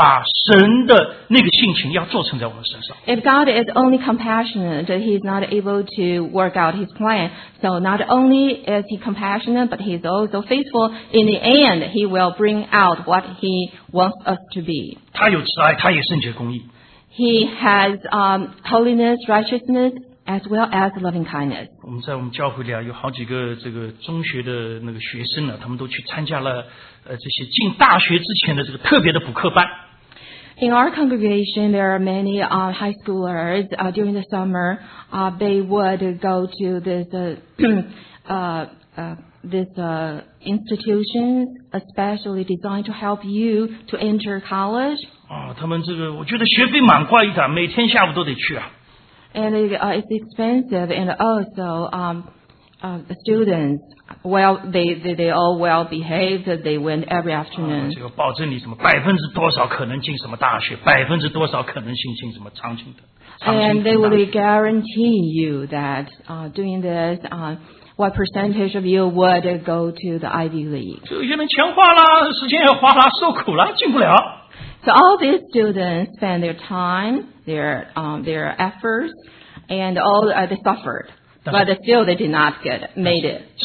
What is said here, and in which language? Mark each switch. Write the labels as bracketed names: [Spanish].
[Chinese] 他如果光是这个体恤我们，最后我们就成不了才了。他忠信，他把神的那个性情要做成在我们身上。 [English] If God is only compassionate, He is not able to work out His plan. So not only is He compassionate, but He is also faithful. In the end, He will bring out what He wants us to be. [Chinese] 他有慈爱，他也圣洁公义。 [English] He has holiness, righteousness, as well as loving kindness. [Chinese] 我们在我们教会里啊，有好几个这个中学的那个学生呢，他们都去参加了这些进大学之前的这个特别的补课班。 [English] In our congregation, there are many high schoolers during the summer. They would go to this institution especially designed to help you to enter college. [Chinese] 哦，他们这个我觉得学费蛮贵的，每天下午都得去啊。 [English] And it's expensive, and also the students, well, they all well behaved. They went every afternoon. [Chinese] 这个保证你什么百分之多少可能进什么大学，百分之多少可能进什么长青的。 [English] And they will guarantee you that doing this, what percentage of you would go to the Ivy League? [Chinese] 有些人钱花了，时间也花了，受苦了，进不了。 [English] So all these students spend their time, their efforts, and all they suffered. [Chinese] 但是, [English] but still they did not get made it.